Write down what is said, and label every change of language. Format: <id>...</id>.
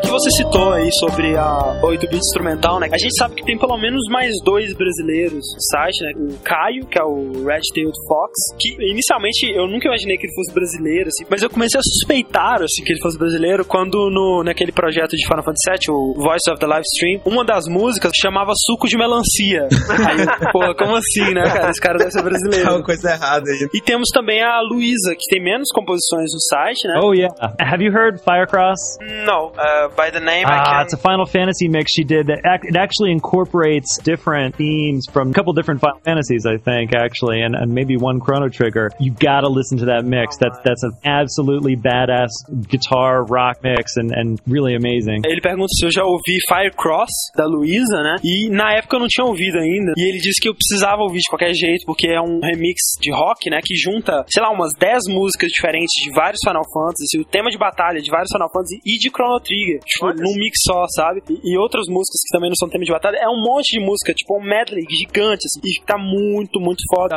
<pt>citou aí sobre a 8-bit instrumental, né? A gente sabe que tem pelo menos mais dois brasileiros no site, né? O Caio, que é o Red Tailed Fox, que inicialmente eu nunca imaginei que ele fosse brasileiro, assim, mas eu comecei a suspeitar, assim, que ele fosse brasileiro quando naquele projeto de Final Fantasy VII, o Voice of the Livestream, uma das músicas chamava Suco de Melancia. Aí, porra, como assim, né, cara? Esse cara deve ser brasileiro. Tá uma coisa errada aí. E temos também a Luísa, que tem menos composições no site, né?</pt> <en>Oh, yeah. Have you heard Firecross? No. By the name, I can... It's a Final Fantasy mix she did. It actually incorporates different themes from a couple different Final Fantasies, I think, actually, and maybe one Chrono Trigger. You gotta listen to that mix. That's an absolutely badass guitar rock mix and really amazing.</en> <pt>Ele pergunta se eu já ouvi Firecross, da Luísa, né? E na época eu não tinha ouvido ainda. E ele disse que eu precisava ouvir de qualquer jeito, porque é um remix de rock, né? Que junta, sei lá, umas 10 músicas diferentes de vários Final Fantasy, assim, o tema de batalha de vários Final Fantasy e de Chrono Trigger. Tipo, olha, num mix só, sabe? E outras músicas que também não são tema de batalha. É um monte de música, tipo um medley gigante, assim, e tá muito, muito foda.</pt>